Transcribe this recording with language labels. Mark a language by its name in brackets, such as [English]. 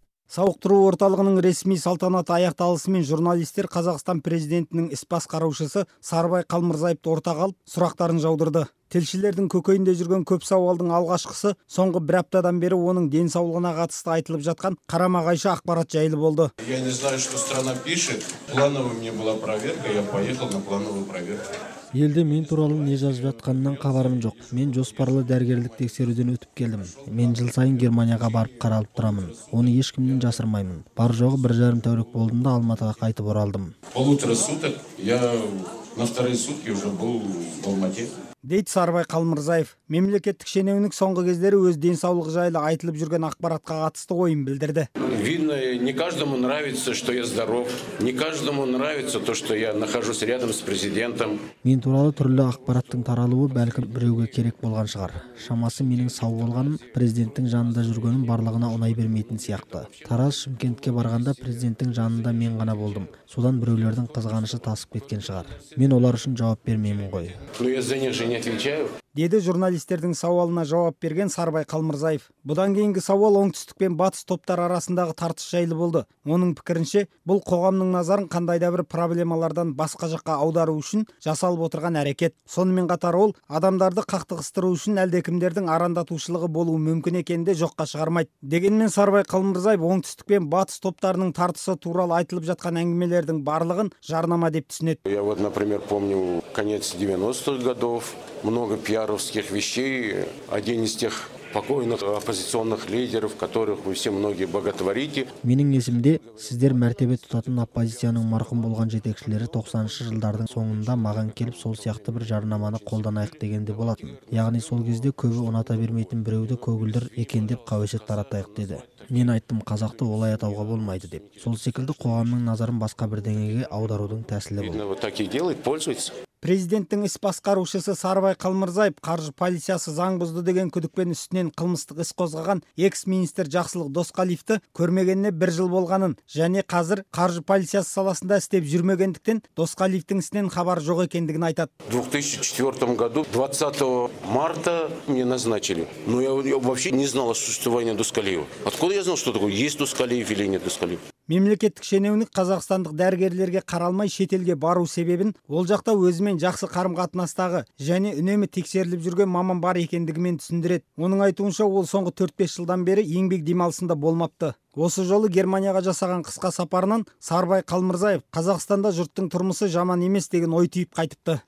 [Kazakh] Сауықтыру орталығының ресми салтанаты аяқталысымен журналистер Қазақстан президентінің іс басқарушысы Сарыбай Қалмырзаевты ортаға алып, сұрақтарын жаудырды. Тілшілердің көкейінде жүрген көп сауалдың алғашқысы соңғы бір аптадан бері оның денсаулығына қатысты айтылып жатқан қарама-қайшы ақпарат жайлы болды. [Russian] Я не знаю, что страна пишет. Плановая мне была проверка, я поехал на плановую проверку. [Kazakh] Елде мен туралы не жазып жатқанынан хабарым жоқ. Мен жоспарлы дәрігерлік тексеруден өтіп келдім. Мен жыл сайын Германияға барып қаралып тұрамын. Оны ешкімнен жасырмаймын. Бар жоғы бір жарым тәулік болдым да Алматыға қайтып оралдым. [Russian] Полутора суток я на вторые сутки уже был в Алмате. [Kazakh] Дейді Сарыбай Қалмырзаев, мемлекеттік шенеунік соңғы кездері өз денсаулығы жайлы айтылып жүрген ақпаратқа қатысты ойын білдірді. [Russian] Видно, не каждому нравится, что я здоров. Не каждому нравится то, что я нахожусь рядом с президентом. [Kazakh] Мен туралы түрлі ақпараттың таралуы бәлкім біреуге керек болған шығар. Шамасы менің сау болғаным президенттің жанында жүргенім барлығына ұнай бермейтін сияқты. Тараз Шымкентке барғанда президенттің жанында мен ғана болдым. Содан біреулердің қызғанышы тасып кеткен шығар. Мен олар үшін жауап бермеймін ғой. Не отвечаю. Деді журналистердің сауалына жауап берген Сарыбай Қалмырзаев. Бұдан кейінгі сауал оңтүстік пен батыс топтар арасындағы тартыс жайлы болды. Оның пікірінше, бұл қоғамның назарын қандай да бір проблемалардан басқа жаққа аудару үшін жасалып отырған әрекет. Сонымен қатар ол, адамдарды қақтығыстыру үшін әлдекімдердің арандатушылығы болуы мүмкін екенін де жоққа шығармайды. Дегенмен Сарыбай Қалмырзаев оңтүстік пен батыс топтарының тартысы туралы айтылып жатқан әңгімелердің барлығын жарнама деп түсінеді. [Russian] Я вот, например, помню конец 90-х годов, много пиаровских вещей. Один из тех покойных оппозиционных лидеров, которых вы все многие боготворите. [Kazakh] Менің есімде, сіздер мәртебе тұтатын оппозицияның марқұм болған жетекшілері 90-шы жылдардың соңында маған келіп сол сияқты бір жарнаманы қолданайық дегенде болатын. Яғни сол кезде көбі ұната бермейтін біреуді көгілдір екен деп қауесет таратайық деді. Мен айттым, қазақты олай атауға болмайды деп. Сол секілді қоғамның назарын басқа бірдеңеге аударудың тәсілі бұл. [Russian] Такие делают, пользуются. [Kazakh] Президенттің іс басқарушысы Сарыбай Қалмырзаев қаржы полициясы заң бұзды деген күдікпен үстінен қылмыстық іс қозғаған экс-министр Жақсылық Досқалиевті көрмегеніне бір жыл болғанын және қазір қаржы полициясы саласында істеп жүрмегендіктен Досқалиевтің ісінен хабар жоқ екендігін айтады. [Russian] 2004 году 20 марта мне назначили. Но я вообще не знал о существовании Досқалиева. Откуда я знал, что такое есть Досқалиев или нет Досқалиев? [Kazakh] Мемлекеттік шенеунік қазақстандық дәрігерлерге қаралмай шетелге бару себебін ол жақта өзімен жақсы қарым-қатынастағы және үнемі тексеріліп жүрген маман бар екендігімен түсіндіреді. Оның айтуынша ол соңғы 4-5 жылдан бері еңбек демалысында болмапты. Осы жолы Германияға жасаған қысқа сапарынан Сарыбай Қалмырзаев Қазақстанда жұрттың тұрмысы жаман емес деген ой түйіп қайтыпты.